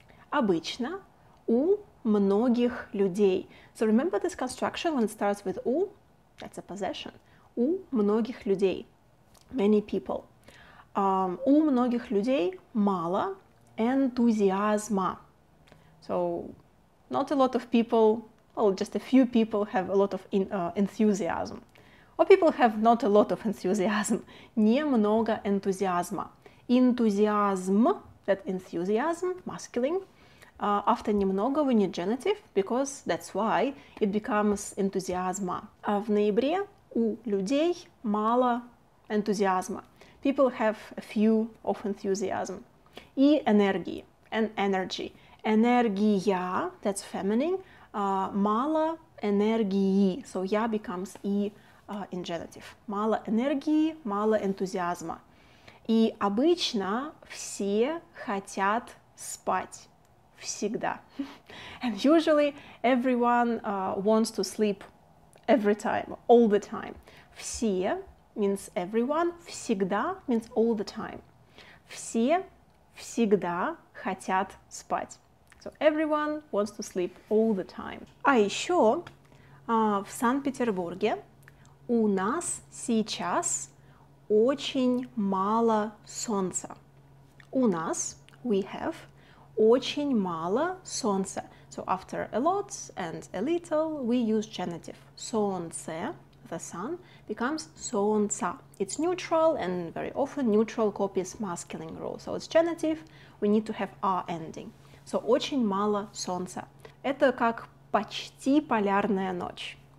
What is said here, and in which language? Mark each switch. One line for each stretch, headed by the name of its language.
Russian: Обычно у многих людей.
English: So remember this construction when it starts with у? That's a possession.
Russian: У многих людей.
English: Many people.
Russian: У многих людей мало энтузиазма.
English: So not a lot of people, well, just a few people have a lot of enthusiasm. Or people have not a lot of enthusiasm.
Russian: Немного энтузиазма. Энтузиазм,
English: that enthusiasm, masculine. After немного, we need genitive, because that's why it becomes энтузиазма.
Russian: А в ноябре у людей мало энтузиазма.
English: People have a few of enthusiasm.
Russian: И энергии,
English: and energy.
Russian: Энергия,
English: that's feminine,
Russian: мало энергии.
English: So я becomes и in genitive.
Russian: Мало энергии, мало энтузиазма. И обычно все хотят спать. Всегда.
English: And usually everyone wants to sleep every time, all the time. Все means everyone, всегда means all the time.
Russian: Все всегда хотят спать.
English: So everyone wants to sleep all the time.
Russian: А еще в Санкт-Петербурге у нас сейчас очень мало солнца. У нас,
English: we have,
Russian: очень мало солнца.
English: So after a lot and a little, we use genitive. Солнце, the sun, becomes солнца. It's neutral and very often neutral copies masculine rule. So it's genitive, we need to have R ending.
Russian: So очень мало солнца. Это как почти полярная ночь.